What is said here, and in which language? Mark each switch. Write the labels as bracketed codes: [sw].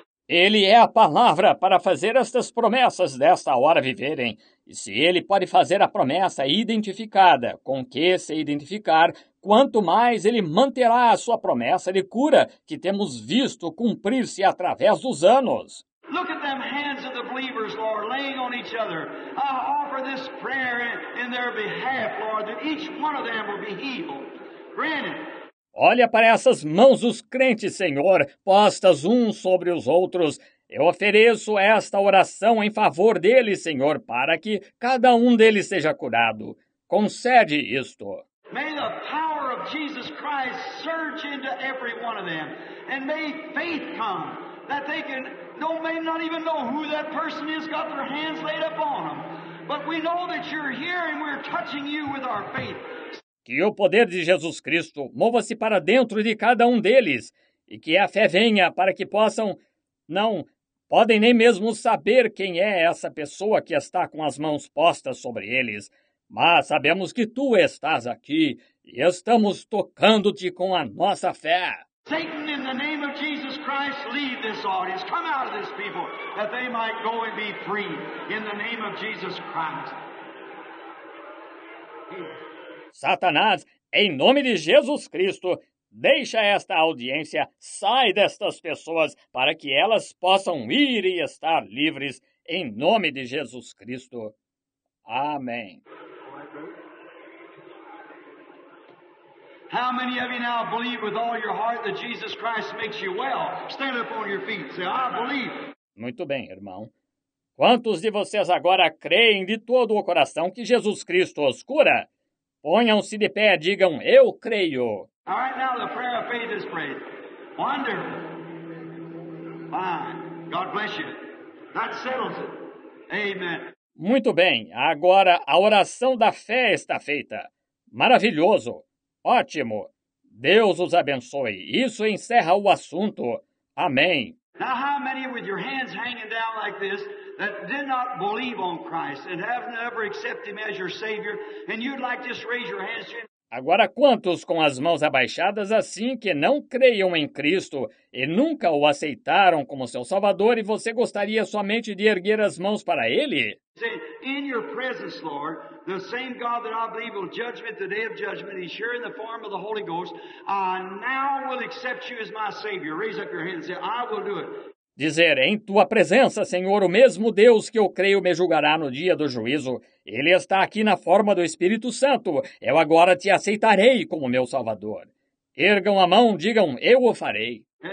[pt] Ele é a palavra para fazer estas promessas desta hora viverem. E se ele pode fazer a promessa identificada, com que se identificar, quanto mais ele manterá a sua promessa de cura que temos visto cumprir-se através dos anos. [en] Look at them hands of the believers, Lord, laying on each other. I offer this prayer in their behalf, Lord, that each one of them will be healed. Granted. [pt] Olha para essas mãos dos crentes, Senhor, postas uns sobre os outros. Eu ofereço esta oração em favor deles, Senhor, para que cada um deles seja curado. Concede isto. [en] May the power of Jesus Christ surge into every one of them. And may faith come that they can... No, may not even know who that person is, got their hands laid upon them. But we know that you're here and we're touching you with our faith. [pt] Que o poder de Jesus Cristo mova-se para dentro de cada um deles e que a fé venha para que possam, não, podem nem mesmo saber quem é essa pessoa que está com as mãos postas sobre eles. Mas sabemos que tu estás aqui e estamos tocando-te com a nossa fé. [en] Satan, in the name of Jesus Christ, leave this audience. Come out of this people, that they might go and be free. In the name of Jesus Christ. [pt] Satanás, em nome de Jesus Cristo, deixa esta audiência, sai destas pessoas para que elas possam ir e estar livres, em nome de Jesus Cristo. Amém. [en] How many of you now believe with all your heart that Jesus Christ makes you well? Stand up on your feet and say, I believe. [pt] Muito bem, irmão. Quantos de vocês agora creem de todo o coração que Jesus Cristo os cura? Ponham-se de pé e digam, eu creio. [en] All right, now the prayer of faith is prayed. Wonderful. Fine. God bless you. That settles it. Amen. [pt] Muito bem, agora a oração da fé está feita. Maravilhoso. Ótimo. Deus os abençoe. Isso encerra o assunto. Amém. [en] Now how many with your hands hanging down like this that did not believe on Christ and have never accepted him as your Savior and you'd like to just raise your hands to him? [pt] Agora quantos com as mãos abaixadas assim que não creiam em Cristo e nunca o aceitaram como seu Salvador e você gostaria somente de erguer as mãos para Ele? [en] In your presence, Lord, the same God that I believe will judge me at the day of judgment, he's here in the form of the Holy Ghost, now will accept you as my Savior. Raise up your hand and say, I will do it. [pt] Dizer, em tua presença, Senhor, o mesmo Deus que eu creio me julgará no dia do juízo. Ele está aqui na forma do Espírito Santo. Eu agora te aceitarei como meu Salvador. Ergam a mão, digam, eu o farei.